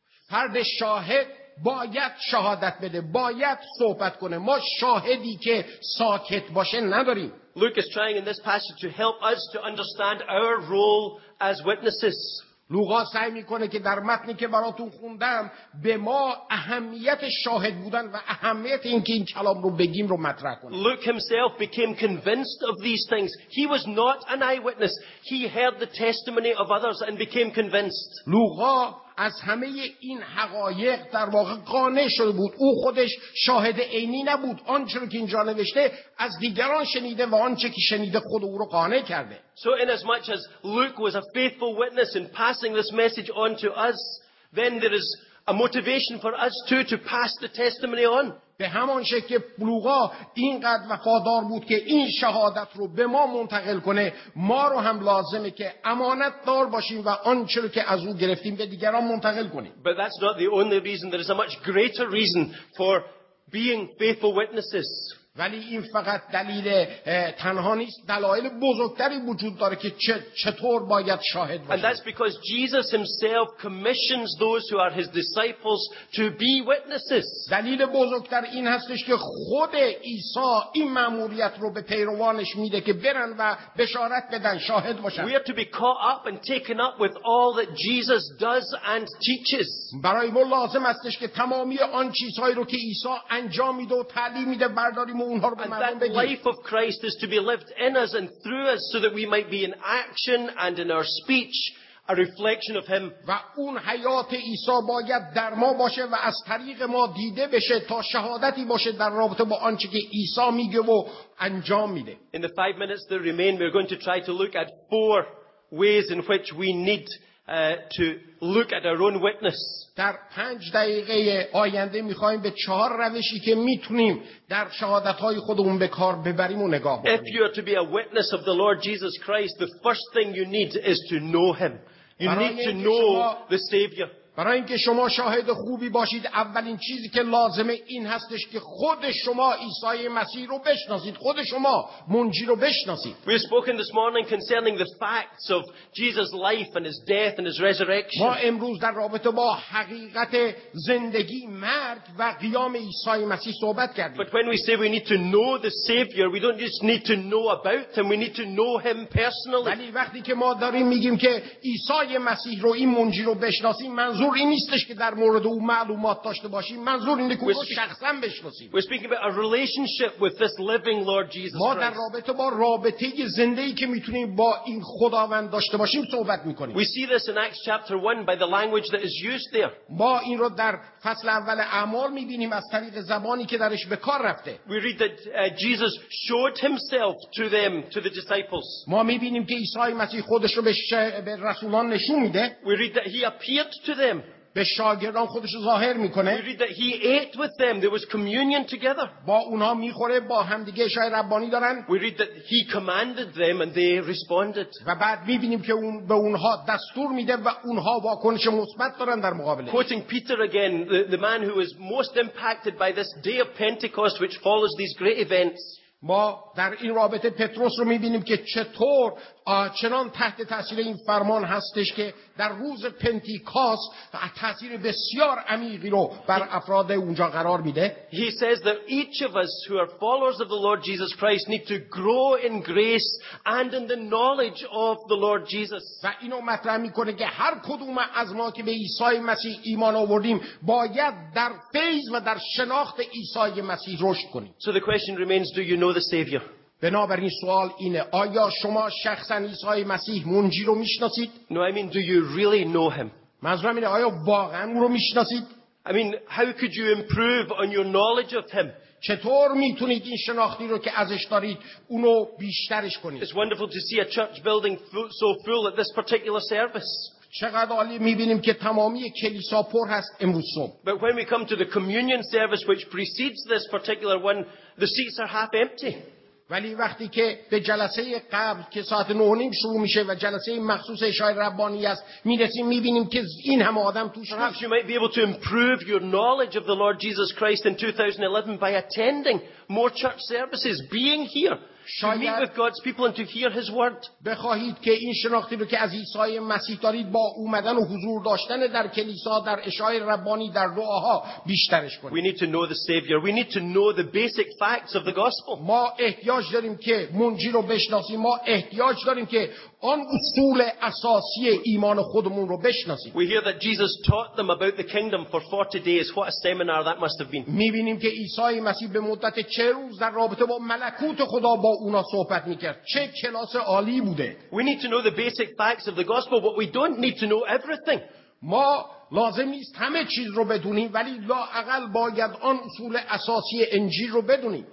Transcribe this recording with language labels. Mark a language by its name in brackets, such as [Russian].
[Persian] فرد شاهد باید شهادت بده، باید صحبت کنه. ما شاهدی که ساکت باشه نداریم. [English] Luke is trying in this passage to help us to understand our role as witnesses. [Persian] لوقا سعی میکنه که در متنی که براتون خوندم به ما اهمیت شاهد بودن و اهمیت اینکه این کلام رو بگیم رو مطرح کنه. [English] Luke himself became convinced of these things. He was not an eyewitness. He heard the testimony of others and became convinced. [Persian] لوقا از همه این حقایق در واقع قانع شده بود. او خودش شاهد عینی نبود. آنچه که اینجا نوشته از دیگران شنیده و آنچه که شنیده خود او را قانع کرده. [English] So in as much as Luke was a faithful witness in passing this message on to us, then there is a motivation for us too to pass the testimony on. [Persian] به همان شکل که لوقا اینقدر وفادار بود که این شهادت رو به ما منتقل کنه، ما رو هم لازمه که امانت دار باشیم و آنچه رو که از او گرفتیم به دیگران منتقل کنیم. [English] But that's not the only reason. There is a much greater reason for being faithful witnesses. [Persian] ولی این فقط دلیل تنها نیست، دلایل بزرگتری وجود داره که چطور باید شاهد باشه. [English] And that's because Jesus himself commissions those who are his disciples to be witnesses. [Persian] دلیل بزرگتر این هستش که خود عیسی این مأموریت رو به پیروانش میده که برن و بشارت بدن، شاهد باشن. [English] We have to be caught up and taken up with all that Jesus does and teaches. [Persian] برای ما لازم هستش که تمامی آن چیزهایی رو که عیسی انجام میده و تعلیم میده برداریم. [English] And that life of Christ is to be lived in us and through us so that we might be in action and in our speech a reflection of him. [Persian] و اون حیات عیسی باید در ما باشه و از طریق ما دیده بشه تا شهادتی باشه در رابطه با آنچه که عیسی میگه و انجام میده. [English] In the 5 minutes that remain, we're going to try to look at 4 ways in which we need to look at our own witness. [Persian] در 5 دقیقه آینده می‌خوایم به 4 روشی که می‌تونیم در شهادت‌های خودمون به کار ببریم و نگاه بکنیم. [English] If you are to be a witness of the Lord Jesus Christ, the first thing you need is to know him. You need to know the Savior. [Persian] برای اینکه شما شاهد خوبی باشید، اولین چیزی که لازمه این هستش که خود شما عیسی مسیح رو بشناسید، خود شما منجی رو بشناسید. [English] We have spoken this morning concerning the facts of Jesus' life and his death and his resurrection. [Persian] ما امروز در رابطه با حقیقت زندگی، مرگ و قیام عیسی مسیح صحبت کردیم. [English] But when we say we need to know the Savior, we don't just need to know about him, we need to know him personally. [Persian] ولی وقتی که ما داریم میگیم که عیسی مسیح رو، این منجی رو بشناسیم، منظور این نیستش که در مورد او معلومات داشته باشیم، منظور اینه که او رو شخصا بشناسیم. [English] We're speaking about a relationship with this living Lord Jesus Christ. [Persian] ما در رابطه با رابطه زندگی که میتونیم با این خداوند داشته باشیم صحبت میکنیم. [English] We see this in Acts chapter 1 by the language that is used there. [Persian] ما این رو در فصل اول اعمال میبینیم از طریق زبانی که درش به کار رفته. [English] We read that Jesus showed himself to them, to the disciples. [Persian] ما میبینیم که عیسی مسیح خودش رو به رسولان نشون میده. [English] We read that he appeared to them. [Persian] به شاگردان خودش ظاهر میکنه. [English] We read that he ate with them. There was communion together. [Persian] با اونها میخوره، با همدیگه شای ربانی دارن. [English] We read that he commanded them and they responded. [Persian] و بعد میبینیم که اون به اونها دستور میده و اونها واکنش مثبت دارن در مقابلش. [English] Quoting Peter again, the man who is most impacted by this day of Pentecost which follows these great events. [Persian] ما در این رابطه پتروس رو میبینیم که چطور چنان تحت تاثیر این فرمان هستش که در روز پنتیکاست تاثیر بسیار عمیقی رو بر افراد اونجا قرار میده. [English] He says that each of us who are followers of the Lord Jesus Christ need to grow in grace and in the knowledge of the Lord Jesus. [Persian] و اینو مطرح میکنه که هر کدوم از ما که به عیسی مسیح ایمان آوردیم باید در فیض و در شناخت عیسی مسیح رشد کنیم. [English] So the question remains, do you know the Savior? [Persian] بنابراین سوال اینه، آیا شما شخصا عیسی مسیح منجی رو میشناسید؟ [English] No, I mean, do you really know him? [Persian] منظورم اینه، آیا واقعا اون رو میشناسید؟ [English] I mean, how could you improve on your knowledge of him? [Persian] چطور میتونید این شناختی رو که ازش دارید اونو بیشترش کنید؟ [English] It's wonderful to see a church building so full at this particular service. [Persian] چقدر عالی میبینیم که تمامی کلیسا پر هست امروز صبح. [English] But when we come to the communion service which precedes this particular one, the seats are half empty. [Persian] ولی وقتی که به جلسه قبل که ساعت 9:30 شروع میشه و جلسه مخصوص عشای ربانی است میرسیم، میبینیم که این همه آدم توش نیست. [English] You might be able to improve your knowledge of the Lord Jesus Christ in 2011 by attending more church services, being here. [Persian] شاید [English] to meet with God's people and to hear his word. [Persian] بخواهید که این شناختی رو که از عیسی مسیح دارید با اومدن و حضور داشتن در کلیسا، در عشای ربانی، در دعاها بیشترش کنید. [English] We need to know the Savior. We need to know the basic facts of the gospel. [Persian] ما احتیاج داریم که منجی رو بشناسیم. ما احتیاج داریم که آن اصول اساسی ایمان خودمون رو بشناسیم. [English] We hear that Jesus taught them about the kingdom for 40 days. What a seminar that must have been. [Persian] می‌بینیم که عیسی مسیح به مدت 40 روز در رابطه با ملکوت خدا با اونا صحبت میکرد. چه کلاس عالی بوده. [English] We need to know the basic facts of the gospel, but we don't need to know everything. [Persian] ما لازم نیست همه چیز رو بدونیم، ولی لااقل باید آن اصول اساسی انجیل رو بدونیم.